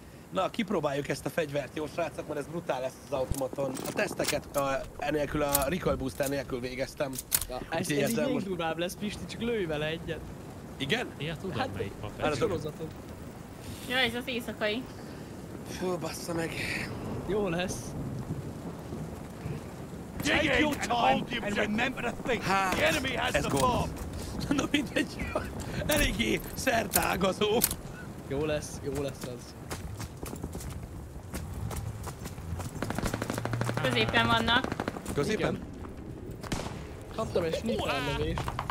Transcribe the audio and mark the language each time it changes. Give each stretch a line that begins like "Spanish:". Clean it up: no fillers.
Hungarian: Na, kipróbáljuk ezt a fegyvert, jó srácok, mert ez brutál lesz az automaton. A teszteket enélkül, a recoil booster nélkül végeztem. Ja, ez így még most... durvább lesz, Pisti, csak lőj vele egyet. Igen? Igen, ja, tudom, hát, melyik papet. Jaj, ez az éjszakai. Fú, bassza meg. Jó lesz.
English: Take your time and remember a thing. Ha, the enemy has the bomb.
Hungarian: Na mindegy, eléggé szertágazó. Jó lesz az. Középen vannak. Középen? Kaptam egy snipelmezést.